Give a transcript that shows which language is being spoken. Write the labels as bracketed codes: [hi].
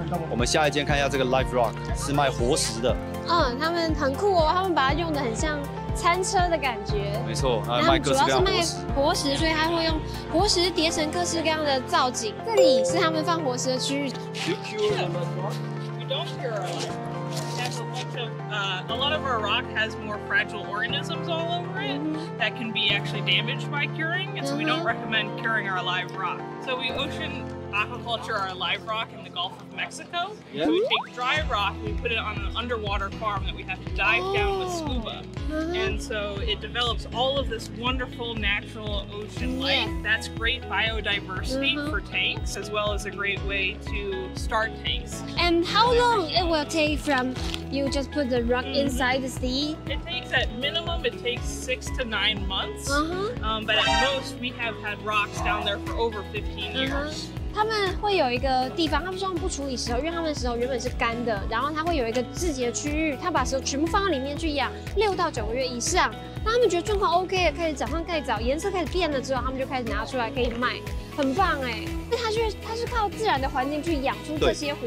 [zh] 我们下一间看一下这个 Live Rock， 是卖活石的。嗯，他们很酷哦，他们把它用得很像。餐车的感觉，没错，然后主要是卖活石，所以他会用活石叠成各式各样的造景。这里是他们放活石的区域。 [en] You cure them, Mark? We don't cure them. A lot of our rock has more fragile organisms all over it that can be actually damaged by curing, and so we don't recommend curing our live rock. So we ocean aquaculture our live rock in the Gulf of Mexico. So we take dry rock and we put it on an underwater farm that we have to dive down with scuba. And so it develops all of this wonderful natural ocean life. That's great biodiversity for tanks, as well as a great way to start tanks. And how long it will take from you just put the rock inside the sea? It takes at minimum, it takes 6 to 9 months. But at most, we have had rocks down there for over 15 years. [zh] 他们会有一个地方，他们说他们不处理石头，因为他们的石头原本是干的，然后他会有一个自己的区域，他把石头全部放在里面去养6到9个月以上。那他们觉得状况 OK， 开始早上盖澡，颜色开始变了之后，他们就开始拿出来可以卖，很棒哎。那他是靠自然的环境去养出这些活石，